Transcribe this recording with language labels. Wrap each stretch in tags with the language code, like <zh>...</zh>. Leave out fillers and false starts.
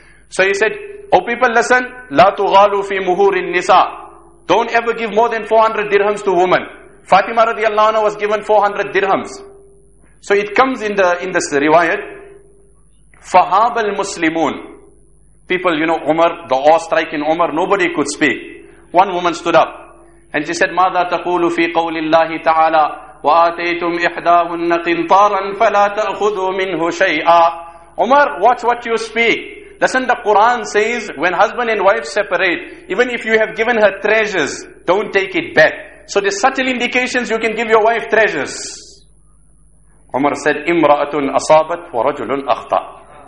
<en>So he said, oh people, listen,</en> <ar>لا تغالوا في مهور النساء.</ar> <en>Don't ever give more than 400 dirhams to women. Fatima radiallahu anha was given 400 dirhams. So it comes in the riwayat.</en> <ar>فهاب المسلمون.</ar> <en>People, you know, Umar, the awe strike in Umar, nobody could speak. One woman stood up and she said,</en> <ar>ماذا تقول في قول الله تعالى وآتيتم إحداهن قنطارا فلا تأخذوا منه شيئا.</ar> <en>Umar, watch what you speak. Listen, the Quran says, when husband and wife separate, even if you have given her treasures, don't take it back. So there's subtle indications you can give your wife treasures. Umar said,</en> <ar>Imra'atun asabat wa rajulun akhta.</ar>